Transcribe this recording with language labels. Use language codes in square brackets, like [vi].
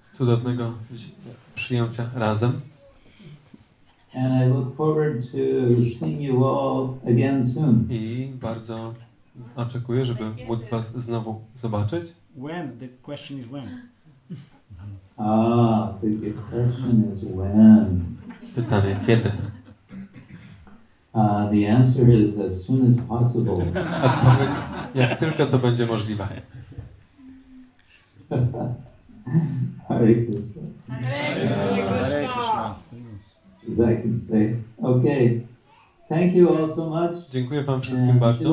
[pl] Cudownego przyjęcia razem. [en] And I look forward to seeing you all again soon. [pl] I bardzo oczekuję, żeby móc was znowu zobaczyć. [en] When? The question is when. The question is when. [pl] Pytanie kiedy? [en] The answer is as soon as possible. [pl] Odpowiedź, jak tylko to będzie możliwe. [en] Hare Krishna. Hare Krishna. As I can say. Okay. Thank you all so much. [pl] Dziękuję wam wszystkim bardzo.